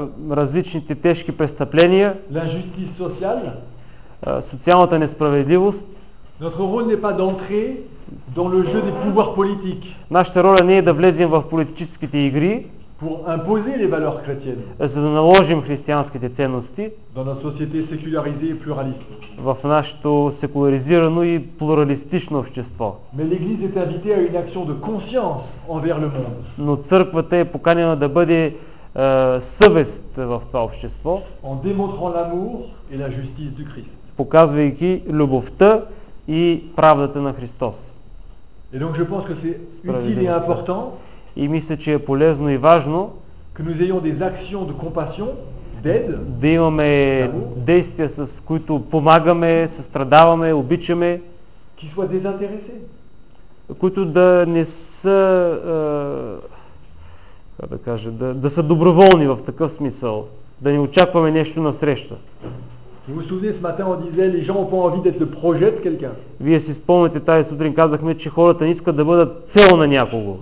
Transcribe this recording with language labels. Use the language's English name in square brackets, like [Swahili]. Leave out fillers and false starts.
[Bulgarian] различните тежки престъпления, [French] l'injustice sociale, [Bulgarian] социалната несправедливост. [French] Notre rôle n'est pas d'entrer dans le jeu des pouvoirs politiques. [Bulgarian] Нашата роля не е да влезем в политическите игри. [French] Pour imposer les valeurs chrétiennes. [Bulgarian] За да наложим християнските ценности. [French] Dans notre société sécularisée et pluraliste. [Bulgarian] В нашето секуляризирано и плуралистично общество. [French] Mais l'église est invitée à une action de conscience envers le monde. [Bulgarian] Но църквата е поканена да бъде съвест в това общество. [French] En démontrant l'amour et la justice du Christ. [Bulgarian] Показвайки любовта и правдата на Христос. [French] Et donc je pense que c'est utile et important. [Bulgarian] И мисля, че е полезно и важно [French] que nous ayons des actions de compassion, d'aide, [Bulgarian] да имаме действия, с които помагаме, състрадаваме, обичаме, [French] qui soient désintéressés. [Bulgarian] Които да не са да са доброволни в такъв смисъл, да не очакваме нещо насреща. [French] Vous vous souvenez, ce matin on disait les gens ont pas envie d'être le projet de quelqu'un. [Bulgarian] Вие си спомняте тази сутрин казахме, че хората не искат да бъдат цел на някого.